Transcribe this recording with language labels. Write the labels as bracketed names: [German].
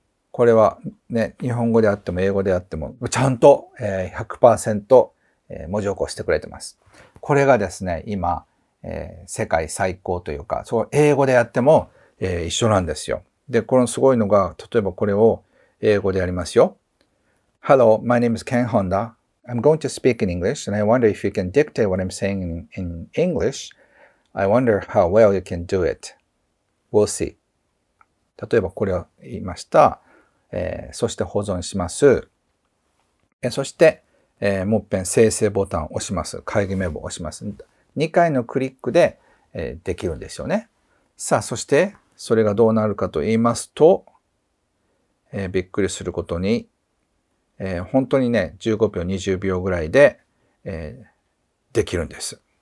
[Japanese] これはね、日本語であっても英語であっても、ちゃんと 100% 文字起こしてくれてます。これがですね、今、世界最高というか、そう、英語でやっても一緒なんですよ。で、このすごいのが、例えばこれを英語でやりますよ。 [English] Hello, my name is Ken Honda. I'm going to speak in English, and I wonder if you can dictate what I'm saying in English. I wonder how well you can do it. We'll see. [Japanese] 例えばこれを言いました。そして保存します。そして、もっぺん生成ボタンを押します。会議名簿を押します。 2回のクリックで、できるんですよね。さあ、そしてそれがどうなるかと言いますと、びっくりすることに、本当にね、15秒、20秒ぐらいで、できるんです。